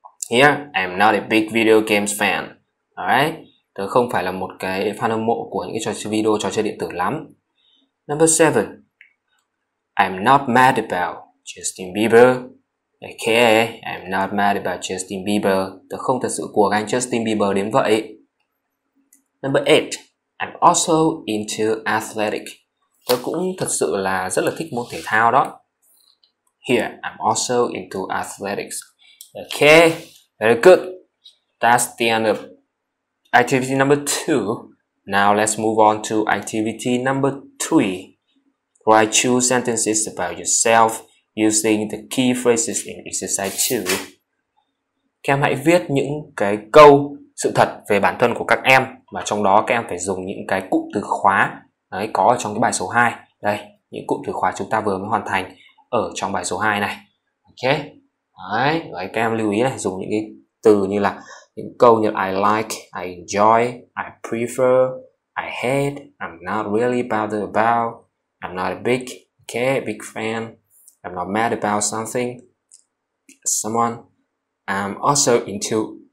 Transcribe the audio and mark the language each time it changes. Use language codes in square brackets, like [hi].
[en] Here, I'm not a big video games fan. Alright? [vi] Tôi không phải là một cái fan hâm mộ của những cái trò chơi video, trò chơi điện tử lắm. [en] Number 7. I'm not mad about Justin Bieber. I'm not mad about Justin Bieber. [vi] Tôi không thật sự cuồng anh Justin Bieber đến vậy. [en] Number 8. I'm also into athletic. [vi] Tôi cũng thật sự là rất là thích môn thể thao đó. [en] Here, I'm also into athletics. Okay, very good. That's the end of activity number 2. Now let's move on to activity number 3. Write two sentences about yourself using the key phrases in exercise 2. [vi] Các em hãy viết những cái câu sự thật về bản thân của các em, và trong đó các em phải dùng những cái cụm từ khóa đấy, có ở trong cái bài số 2. Đây, những cụm từ khóa chúng ta vừa mới hoàn thành ở trong bài số 2 này. Ok. Đấy, rồi các em lưu ý này, dùng những cái từ như là những câu như là [en] I like, I enjoy, I prefer, I hate, I'm not really bothered about, I'm not a big, okay, big fan, I'm not mad about something, someone, I'm also into.